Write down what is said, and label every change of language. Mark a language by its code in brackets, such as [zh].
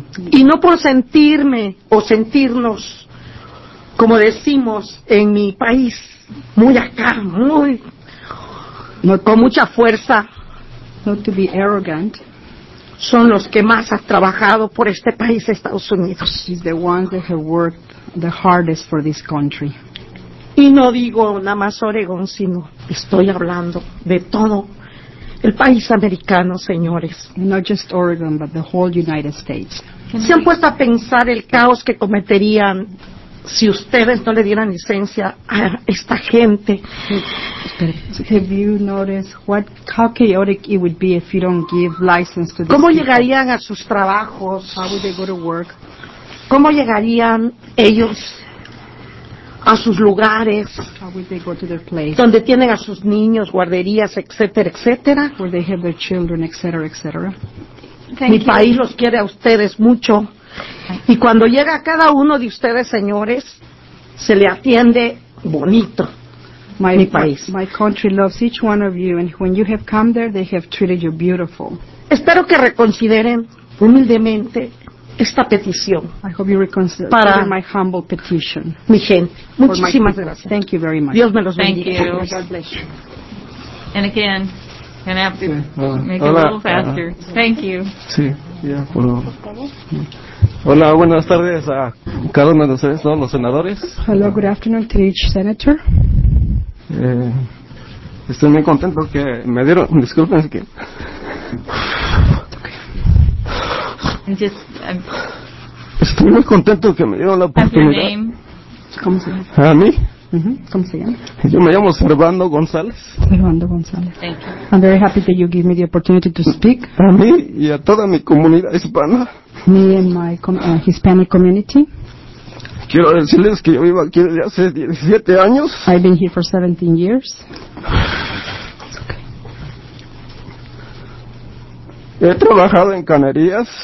[es] Y no por sentirme o sentirnos, como decimos en mi país, muy acá, muy, con mucha fuerza. [en] Not to be arrogant. [es] Son los que más han trabajado por este país, Estados Unidos. [en] Is the ones that have worked the hardest for this country. [es] Y no digo nada más Oregón, sino estoy hablando de todo el país americano, señores. [en] Not just Oregon, but the whole United States. [es] ¿Se han puesto a pensar el caos que cometerían si ustedes no le dieran licencia a esta gente? [en] Have you noticed how chaotic it would be if you don't give license to this? [es] ¿Cómo llegarían a sus trabajos? [en] How would they go to work? [es] ¿Cómo llegarían ellos a sus lugares? [en] How would they go to their place? [es] Donde tienen a sus niños, guarderías, etcétera, etcétera. [en] Where they have their children, etcétera, etcétera. [es] Mi país los quiere a ustedes mucho. Y cuando llega cada uno de ustedes, señores, se le atiende bonito. Mi país. [en] My country loves each one of you, and when you have come there, they have treated you beautiful. [es] Espero que reconsideren humildemente esta petición. [en] I hope you reconsider para my humble petition. [es] Mi gente, muchísimas gracias. [en] Thank you very much. [es] Dios me los bendiga. [en] Thank you. God bless you. And again, can I have to make It a little faster? Thank you. [es] Sí, ya puedo. Hola, buenas tardes a cada uno de ustedes, todos los senadores. [en] Hello, good afternoon to each senator. [es] Estoy muy contento que me dieron, disculpen, que. [en] Okay. [es] Estoy muy contento que me dieron la oportunidad. [en] Your name. [es] ¿Cómo se llama? ¿A mí? ¿Cómo se llama? Yo me llamo Servando González. Servando González. [en] Thank you. I'm very happy that you give me the opportunity to speak. [es] A mí y a toda mi comunidad hispana. [en] Me and my Hispanic community. [es] Quiero decirles que yo vivo aquí desde hace 17 años. [en] I've been here for 17 years. [es] He trabajado en canerías.